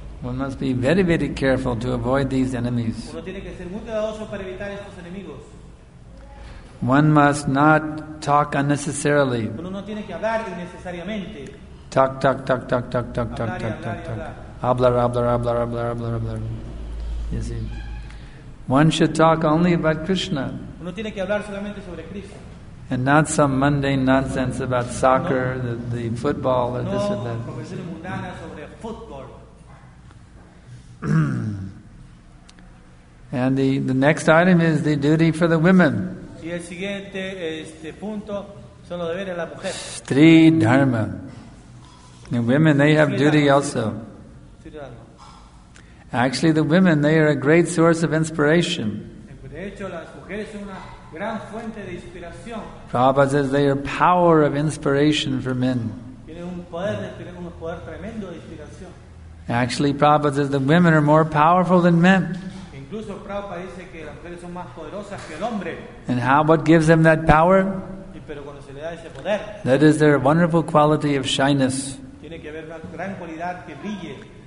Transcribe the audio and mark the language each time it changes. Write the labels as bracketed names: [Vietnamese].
[English] One must be very, very careful to avoid these enemies. [Spanish] Uno tiene que ser muy cuidadoso para evitar estos enemigos. [English] One must not talk unnecessarily. [Spanish] Uno no tiene que hablar innecesariamente. [English] Talk. Hablar. You see. One should talk only about Krishna. [Spanish] Uno tiene que hablar solamente sobre Krishna. [English] And not some mundane nonsense about soccer, the football, or no, this or that. And the next item is the duty for the women. [Spanish] Y el siguiente punto son los deberes de la mujer. [English] Stri dharma. The women, they have duty also. Actually, the women, they are a great source of inspiration. [Spanish] De hecho, las mujeres son una gran fuente de inspiración. [English] Prabhupada says they are power of inspiration for men. [Spanish] Tienen un poder tremendo de inspiración. [English] Actually, Prabhupada says the women are more powerful than men. [Spanish] Incluso Prabhupada dice que las mujeres son más poderosas que el hombre. [English] And how? What gives them that power? [Spanish] Y pero cuando se le da ese poder. [English] That is their wonderful quality of shyness. [Spanish] Tiene que haber una gran cualidad que brille.